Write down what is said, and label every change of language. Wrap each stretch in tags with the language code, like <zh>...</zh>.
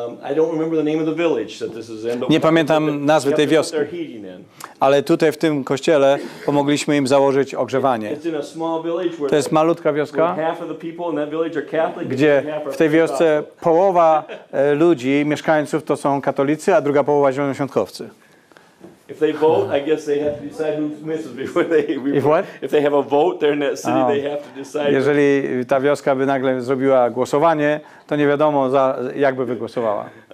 <en>I don't remember the name of the village that this is in.</en> <pl>Nie pamiętam nazwy tej wioski. Ale tutaj w tym kościele pomogliśmy im założyć ogrzewanie.</pl> <en>It's in a small village where</en> <pl>to jest malutka wioska,</pl> <en>half of the people in that village are Catholic,</en> <pl>gdzie w tej wiosce połowa ludzi, mieszkańców, to są katolicy, a druga połowa zielonoświątkowcy.</pl> <en>If they vote, I guess they have to decide who misses before they. If what? If they have a vote there in that city, they have to decide.</en> <pl>Jeżeli ta wioska by nagle zrobiła głosowanie, to nie wiadomo, jak by wygłosowała.</pl>